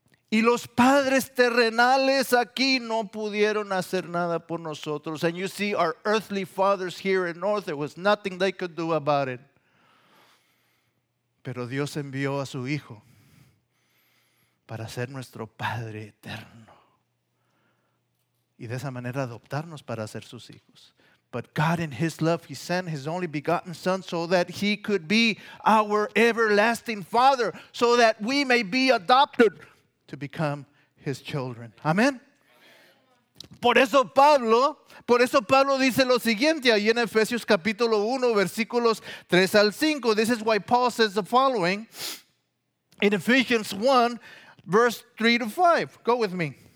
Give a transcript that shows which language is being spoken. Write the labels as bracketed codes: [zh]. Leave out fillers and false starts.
[es] Y los padres terrenales aquí no pudieron hacer nada por nosotros. [en] And you see, our earthly fathers here in North, there was nothing they could do about it. [es] Pero Dios envió a su Hijo para ser nuestro Padre eterno. Y de esa manera adoptarnos para ser sus hijos. [en] But God in his love, he sent his only begotten son so that he could be our everlasting father, so that we may be adopted to become his children. Amen. [es] Por eso Pablo dice lo siguiente ahí en Efesios capítulo 1, versículos 3 al 5. [en] This is why Paul says the following in Ephesians 1, verse 3 to 5. Go with me.